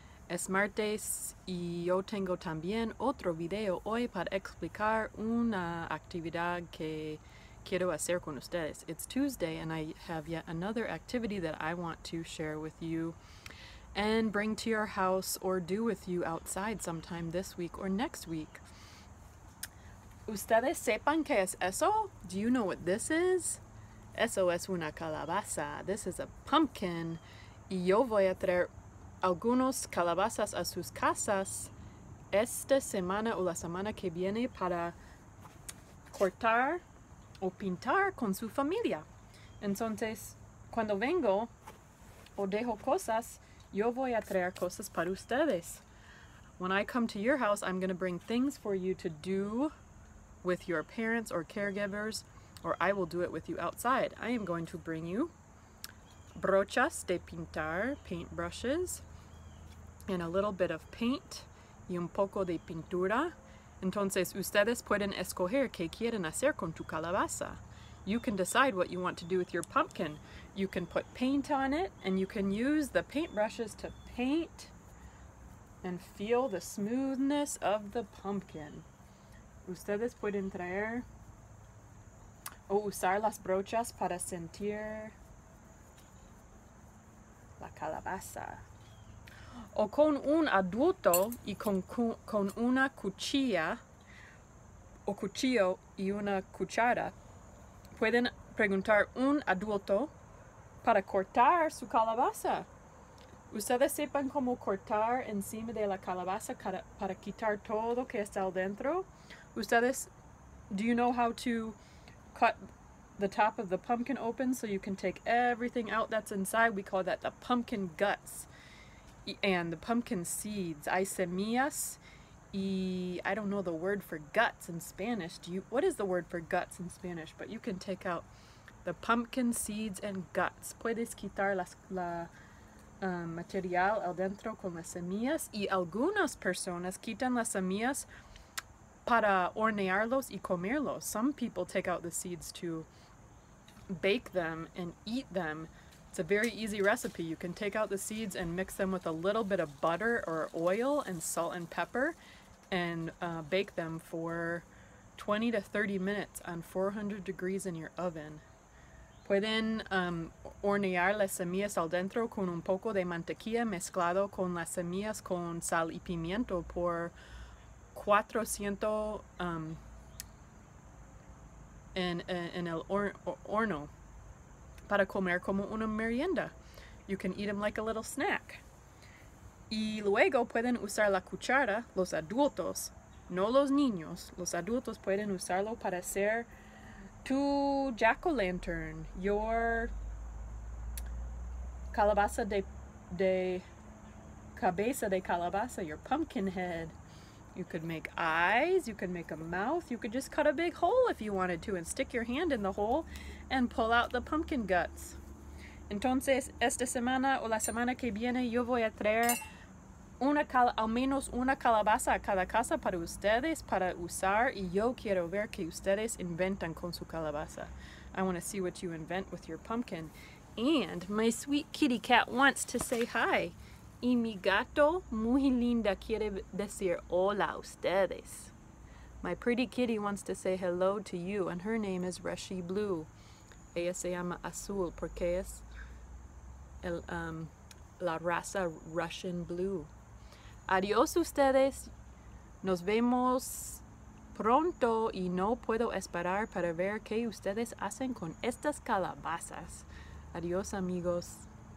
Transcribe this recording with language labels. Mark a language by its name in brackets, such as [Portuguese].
[Spanish] Es martes y yo tengo también otro video hoy para explicar una actividad que quiero hacer con ustedes. [English] It's Tuesday and I have yet another activity that I want to share with you and bring to your house or do with you outside sometime this week or next week. [Spanish] ¿Ustedes sepan qué es eso? [English] Do you know what this is? [Spanish] Eso es una calabaza. [English] This is a pumpkin. [Spanish] Y yo voy a traer algunos calabazas a sus casas esta semana o la semana que viene para cortar o pintar con su familia. Entonces, cuando vengo o dejo cosas, yo voy a traer cosas para ustedes. [English] When I come to your house, I'm going to bring things for you to do with your parents or caregivers, or I will do it with you outside. I am going to bring you [Spanish] brochas de pintar, [English] paint brushes, and a little bit of paint [Spanish] y un poco de pintura. Entonces, ustedes pueden escoger qué quieren hacer con tu calabaza. [English] You can decide what you want to do with your pumpkin. You can put paint on it and you can use the paint brushes to paint and feel the smoothness of the pumpkin. [Spanish] Ustedes pueden traer o usar las brochas para sentir la calabaza. O con un adulto y con una cuchilla o cuchillo y una cuchara, pueden preguntar un adulto para cortar su calabaza. Ustedes sepan cómo cortar encima de la calabaza para quitar todo que está adentro. [English] Ustedes, do you know how to cut the top of the pumpkin open so you can take everything out that's inside? We call that the pumpkin guts and the pumpkin seeds. [Spanish] Hay semillas y [English] I don't know the word for guts in Spanish. What is the word for guts in Spanish? But you can take out the pumpkin seeds and guts. [Spanish] Puedes quitar material al dentro con las semillas y algunas personas quitan las semillas para hornearlos y comerlos. [English] Some people take out the seeds to bake them and eat them. It's a very easy recipe. You can take out the seeds and mix them with a little bit of butter or oil and salt and pepper and bake them for 20 to 30 minutes on 400 degrees in your oven. [Spanish] Pueden hornear las semillas al dentro con un poco de mantequilla mezclado con las semillas con sal y pimiento por 400 en el horno para comer como una merienda. [English] You can eat them like a little snack. [Spanish] Y luego pueden usar la cuchara, los adultos, no los niños. Los adultos pueden usarlo para hacer tu jack-o'-lantern, your calabaza de cabeza de calabaza, [English] your pumpkin head. You could make eyes, you could make a mouth, you could just cut a big hole if you wanted to and stick your hand in the hole and pull out the pumpkin guts. [Spanish] Entonces, esta semana o la semana que viene, yo voy a traer al menos una calabaza a cada casa para ustedes, para usar, y yo quiero ver que ustedes inventan con su calabaza. [English] I want to see what you invent with your pumpkin. And my sweet kitty cat wants to say hi. [Spanish] Y mi gato muy linda quiere decir hola a ustedes. [English] My pretty kitty wants to say hello to you, and her name is Reshi Blue. [Spanish] Ella se llama Azul porque es la raza Russian Blue. Adiós ustedes. Nos vemos pronto y no puedo esperar para ver qué ustedes hacen con estas calabazas. Adiós amigos.